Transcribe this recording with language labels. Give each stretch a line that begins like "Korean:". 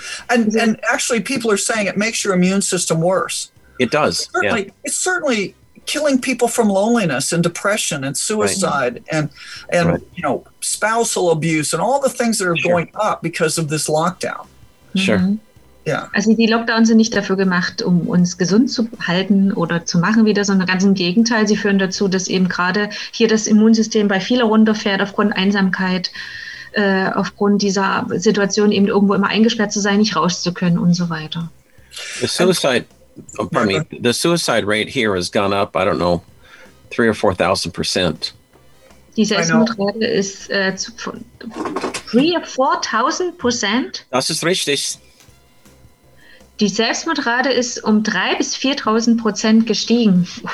English: Right. And actually, people are saying it makes your immune system worse. It does. It's certainly killing people from loneliness and depression and suicide and spousal abuse and all the things that are going up because of this lockdown. Sure. Yeah.
German: Also die Lockdowns sind nicht dafür gemacht, um uns gesund zu halten oder zu machen wieder, sondern ganz im Gegenteil. Sie führen dazu, dass eben gerade hier das Immunsystem bei vielen runterfährt aufgrund Einsamkeit, aufgrund dieser Situation eben irgendwo immer eingesperrt zu sein, nicht raus zu können und so weiter.
English: The suicide rate here has gone up, I don't know, 3,000 or 4,000%.
German: Die Selbstmordrate ist 3,000 or 4,000%. Das ist richtig. Die Selbstmordrate ist 3,000 to 4,000% gestiegen.